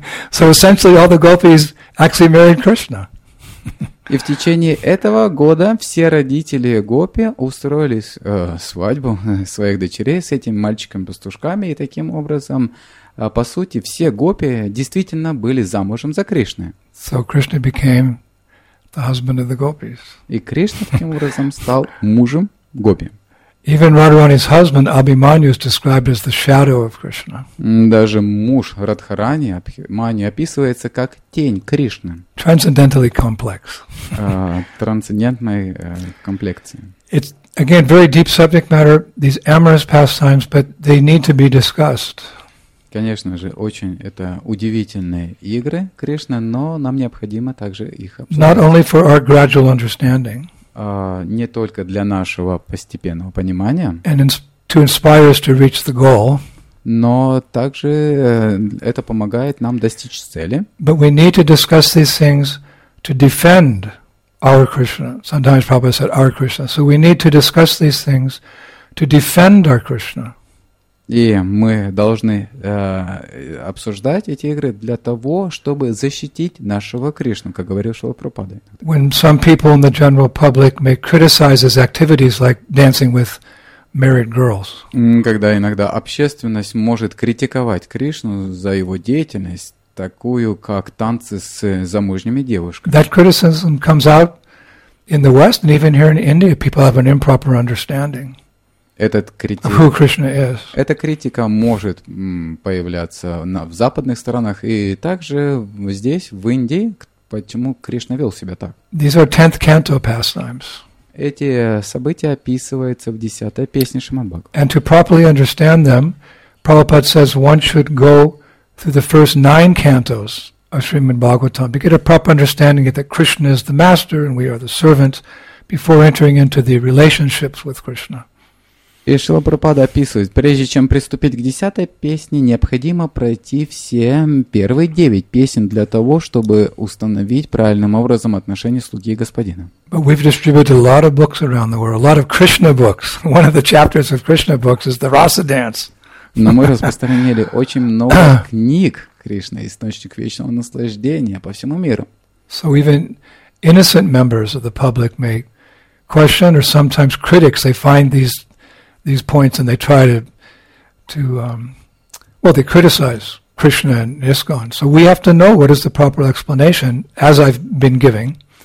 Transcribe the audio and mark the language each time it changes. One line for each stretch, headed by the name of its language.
English: So essentially all the gopis actually married Krishna.
Russian: И в течение этого года все родители гопи устроили свадьбу своих дочерей с этими мальчиками-пастушками, и таким образом, по сути, все гопи действительно были замужем за Кришной.
English: So Krishna became the husband of the gopis.
Russian: И Кришна таким образом стал мужем гопи.
English: Even Radharani's husband Abhimanyu is described as the shadow of Krishna.
Russian: Даже муж Радхарани Абхиманию описывается как тень Кришны.
English: Transcendentally complex.
Russian: Трансцендентной комплекции.
English: It's again very deep subject matter, these amorous pastimes, but they need to be discussed.
Russian: Конечно же, очень это удивительные игры Кришны, но нам необходимо также их обсуждать.
English: Not only for our gradual understanding.
Russian: Не только для нашего постепенного понимания,
English: and to inspire us to reach the goal,
Russian: но также это помогает нам достичь цели.
English: But we need to discuss these things to defend our Krishna. Sometimes Prabhupada said our Krishna. So we need to discuss these things to defend our Krishna.
Russian: И мы должны обсуждать эти игры для того, чтобы защитить нашего Кришну, как говорил Шрила Прабхупада.
English: When some people in the general public may criticize his activities, like dancing with married girls.
Russian: Когда иногда общественность может критиковать Кришну за его деятельность, такую как танцы с замужними девушками.
English: That criticism comes out in the West, and even here in India, people have an improper understanding.
Russian: Этот критик,
English: who Krishna is.
Russian: Эта критика может появляться в западных странах и также здесь, в Индии, почему Кришна вел себя так.
English: These are 10th canto pastimes.
Russian: Эти события описываются в 10-й песне Шримад-Бхагаватам.
English: And to properly understand them, Prabhupada says one should go through the first 9 cantos of Srimad-Bhagavatam to get a proper understanding that Krishna is the master and we are the servants before entering into the relationships with Krishna.
Russian: И Шрила Прабхупада описывает, прежде чем приступить к 10-й песне, необходимо пройти все первые 9 песен для того, чтобы установить правильным образом отношения слуги и господина.
English: But we've distributed a lot of books around the world, a lot of Krishna books. One of the chapters of Krishna books is the Rasa Dance.
Russian: Но мы распространили очень много книг Кришны, источник вечного наслаждения по всему миру.
English: So even innocent members of the public may question, or sometimes critics, they find these points and they try to criticize Krishna and ISKCON. So we have to know what is the proper explanation, as I've been giving.